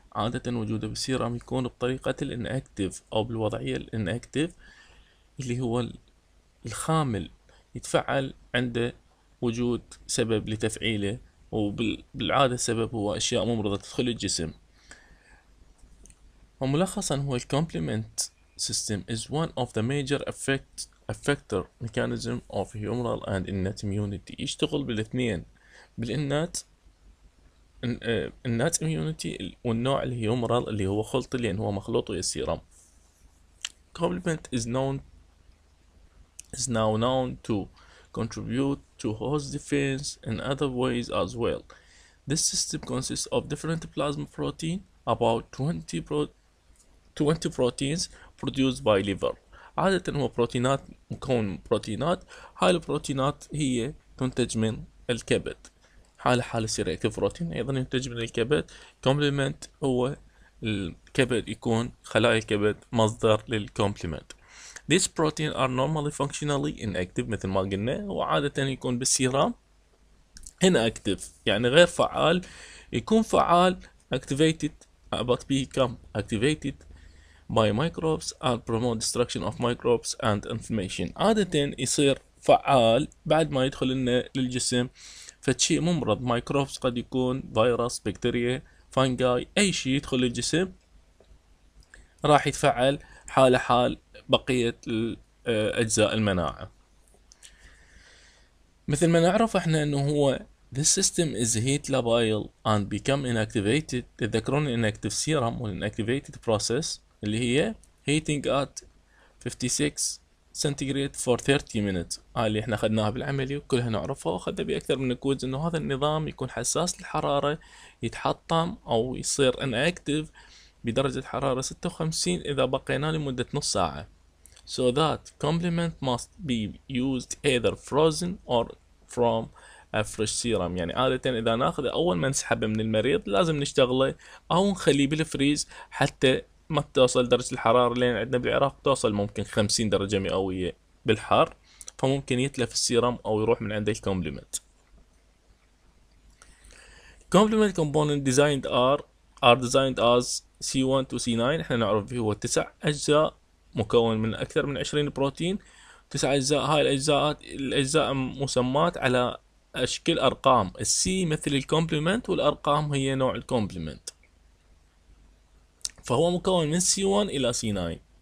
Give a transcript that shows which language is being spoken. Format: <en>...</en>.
<ar>عادة وجوده بالسيرم يكون بطريقة الانأكتيف أو بالوضعية الانأكتيف، اللي هو الخامل يتفعل عند وجود سبب لتفعيله، وبالعادة السبب هو أشياء ممرضة تدخل الجسم. وملخصا، هو الـ</ar> <en>complement system is one of the major effector mechanism of humoral and innate immunity.</en> <ar>يشتغل بالاثنين، بالإنات النات اميونيتي والنوع الهيومرال اللي هو خلط، لان هو مخلوط ويا السيرم.</ar> <en>Complement is now known to contribute to host defense in other ways as well. This system consists of different plasma protein, about 20 proteins produced by liver.</en> <ar>عادة هو بروتينات، مكون بروتينات. هاي البروتينات هي تنتج من الكبد، على حال يصير اكتيف بروتين ايضا ينتج من الكبد. كومبلمنت هو الكبد، يكون خلايا الكبد مصدر للكومبلمنت.</ar> <en>This protein are normally functionally inactive</en> <ar>مثل ما قلنا، وعادة يكون بالسيرام inactive يعني غير فعال. يكون فعال</ar> <en>activated but become activated by microbes and promote destruction of microbes and inflammation.</en> <ar>عادة يصير فعال بعد ما يدخل لنا للجسم فشيء ممرض، مايكروبس، قد يكون فيروس، بكتيريا، فانجاي، اي شيء يدخل الجسم راح يتفعل حاله حال بقيه اجزاء المناعه. مثل ما نعرف احنا انه هو</ar> <en>this system is heat labile and become inactivated.</en> <ar>تذكرون</ar> <en>inactive serum والinactivated process</en> <ar>اللي هي</ar> <en>heating at 56 centigrade for 30 minutes.</en> <ar>هاي اللي احنا اخذناها بالعملي وكلها نعرفها، واخذنا بيها اكثر من كوز، انه هذا النظام يكون حساس للحراره، يتحطم او يصير inactive بدرجه حراره 56 اذا بقينا لمده نص ساعه.</ar> <en>So that complement must be used either frozen or from a fresh serum.</en> <ar>يعني عاده اذا ناخذ اول ما نسحبه من المريض لازم نشتغله او نخليه بالفريز حتى ما توصل درجة الحرارة، لين عندنا بالعراق توصل ممكن 50 درجة مئوية بالحر، فممكن يتلف السيرم أو يروح من عند الكومبلمنت.</ar> <en>Complement component designed are designed as C1 to C9.</en> <ar>احنا نعرف فيه هو 9 أجزاء مكون من أكثر من 20 بروتين. 9 أجزاء، هاي الأجزاء مسمات على أشكال أرقام. السي مثل الكومبلمنت والأرقام هي نوع الكومبلمنت، فهو مكون من C1 إلى C9.</ar>